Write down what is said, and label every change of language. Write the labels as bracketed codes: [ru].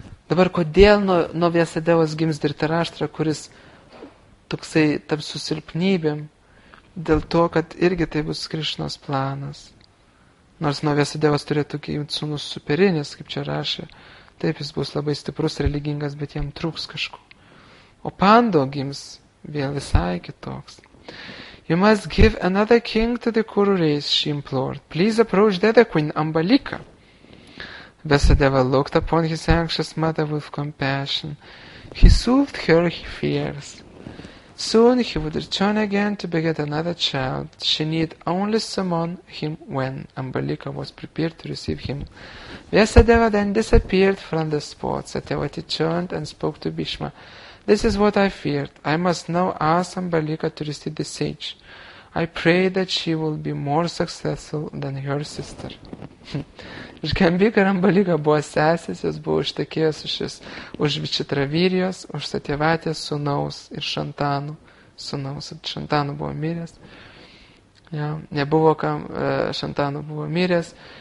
[lt] Dabar, kodėl nuo Vyasadevos gims Dhritarashtra, kuris toksai taps su silpnybėm, dėl to, kad irgi tai bus Krišnos planas. Nors nuo Vyasadevos turėtų gimti sūnus superinis, kaip čia rašė, taip jis bus labai stiprus, religingas, bet jam trūks kažko. O Pando gims vėl visai kitoks. [en] You must give another king to the Kuru race, she implored. Please approach the other queen, Ambalika. Vyasadeva looked upon his anxious mother with compassion. He soothed her fears. Soon he would return again to beget another child. She need only summon him when Ambalika was prepared to receive him. Vyasadeva then disappeared from the spot. Satyavati turned and spoke to Bhishma. This is what I feared. I must now ask Ambalika to receive the sage. I pray that she will be more successful than her sister. [lt] Žgambika ir Ambalika buvo sesės, jos buvo ištekėjęs už Vičitravirijos, už Satyavatės sūnaus ir Šantanų sūnaus. Šantanų buvo miręs. Ja, nebuvo kam, Šantanų buvo miręs.